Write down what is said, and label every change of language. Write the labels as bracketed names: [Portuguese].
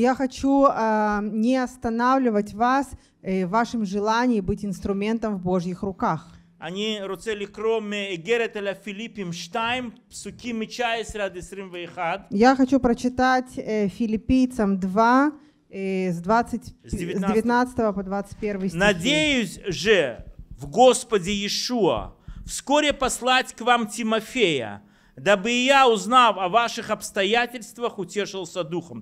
[Russian] я хочу не останавливать вас в вашем желании быть инструментом в Божьих руках. [Hebrew] אני רוצה לקרוא מאגרת על הפיליפים 2, פסוקים מ-19 עד 21. [Russian] Я хочу прочитать филиппийцам 2, с 19 по 21 стих. Надеюсь же в Господе Иешуа вскоре послать к вам Тимофея, дабы я, узнав о ваших обстоятельствах, утешился духом.